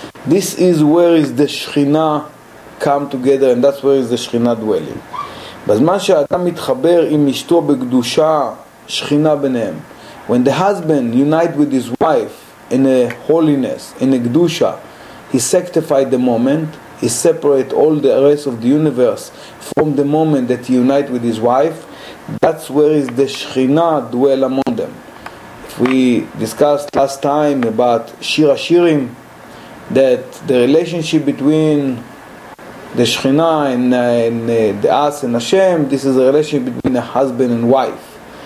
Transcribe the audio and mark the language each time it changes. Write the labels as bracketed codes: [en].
[en] This is where is the shchina come together, and that's where is the Shechina dwelling. [he] בזמן שאדם מתחבר עם אשתו בקדושה שכינה ביניהם. [en] When the husband unite with his wife in a holiness, in a kedusha, he sanctified the moment, he separate all the rest of the universe from the moment that he unite with his wife. That's where is the Shechina dwell among them. If we discussed last time about Shir HaShirim, that the relationship between the Shechina and us and Hashem, this is a relationship between a husband and wife.